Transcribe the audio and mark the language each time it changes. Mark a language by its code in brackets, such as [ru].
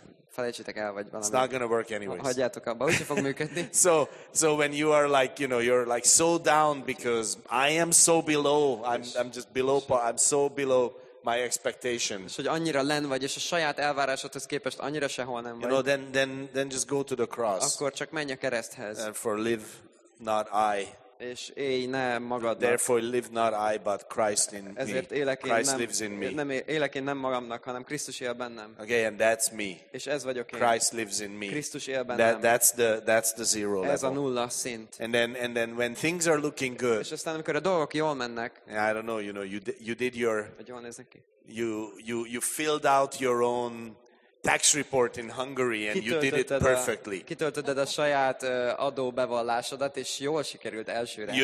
[hu] Felejtsétek el, vagy valami. [en] It's not gonna work anyways. [hu] Hagyjátok abba, hogy fog működni. [en] So when you are like, you know, you're like so down because I am so below. I'm just below. I'm so below my expectation. [hu] És hogy annyira len vagy, és a saját elvárásodhoz képest annyira sehol nem vagy. [en] You know, then just go to the cross. [hu] Akkor csak menj a kereszthez. [en] And for live, not I. [hu] És élj ne magadnak. [en] Therefore live not I, but Christ in me. [hu] Ezért élek én, [en] Christ [hu] nem, [en] lives in me. [hu] Nem élek én nem magamnak, hanem Krisztus él bennem. [en] Okay, and that's me. [hu] És ez vagyok én. [en] Christ lives in me. [hu] Krisztus él bennem. [en] That's the zero level. [hu] Ez a nulla szint. [en] And then when things are looking good. [hu] És aztán amikor a dolgok jól mennek. [en] I don't know, you know, you did your. [hu] Hogy jól néznek ki? [en] You filled out your own tax report in Hungary and you did it perfectly. [hu] Kitöltötted a saját adóbevallásodat és jól sikerült elsőre.